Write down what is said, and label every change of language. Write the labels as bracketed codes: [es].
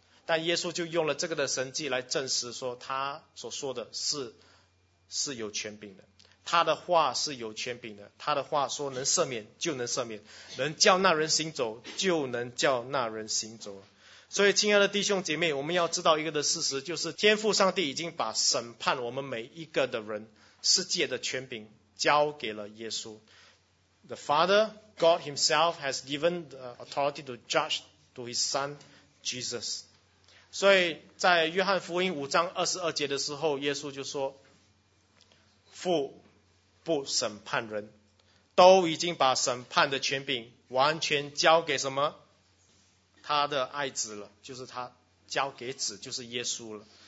[zh] 但耶稣就用了这个的神迹来证实说，他所说的是有权柄的，他的话是有权柄的，他的话说能赦免就能赦免，能叫那人行走就能叫那人行走。所以亲爱的弟兄姐妹，我们要知道一个的事实，就是天父上帝已经把审判我们每一个的人世界的权柄交给了耶稣。 [en] The Father God himself has given the authority to judge to his son Jesus。 [zh] 所以在约翰福音5:22的时候，耶稣就说，父不审判人，都已经把审判的权柄完全交给什么？他的爱子了，就是他交给子，就是耶稣了。